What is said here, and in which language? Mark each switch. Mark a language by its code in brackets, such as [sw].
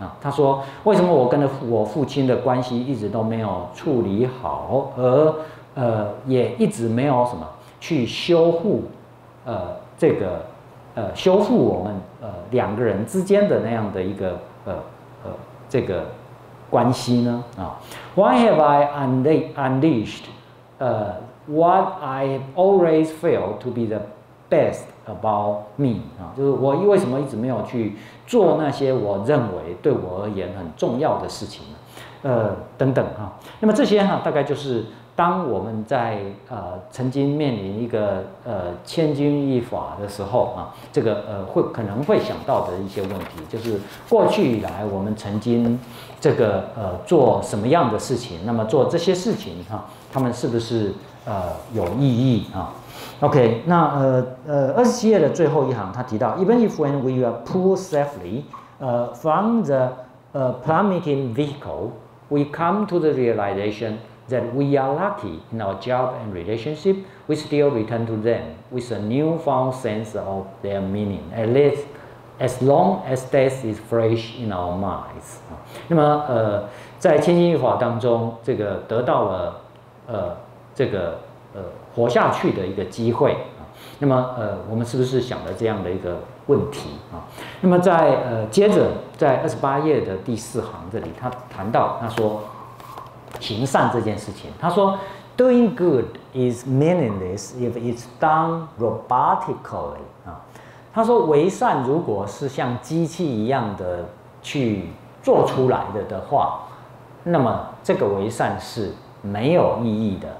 [zh] 他说为什么我跟我父亲的关系一直都没有处理好，而也一直没有什么去修复这个修复我们两个人之间的那样的一个这个关系呢？ [en] 啊 ，Why have I unleashed what I always felt to be the best about me？ [zh] 就是我为什么一直没有去做那些我认为对我而言很重要的事情呢？等等哈。那么这些哈，大概就是当我们在曾经面临一个千钧一发的时候啊，这个会可能会想到的一些问题，就是过去以来我们曾经这个做什么样的事情？那么做这些事情哈，他们是不是有意义啊 [en] ？OK， [zh] 那27页的最后一行，他提到 [en] ，Even if when we are pulled safely from the plummeting vehicle， we come to the realization that we are lucky in our job and relationship， we still return to them with a newfound sense of their meaning， at least as long as death is fresh in our minds。 [zh] 那么在千钧一发当中，这个得到了这个活下去的一个机会，那么我们是不是想了这样的一个问题啊？那么在接着在28页的第四行这里，他谈到他说行善这件事情，他说 [en] doing good is meaningless if it's done robotically [zh] 啊，他说为善如果是像机器一样的去做出来的话，那么这个为善是没有意义的。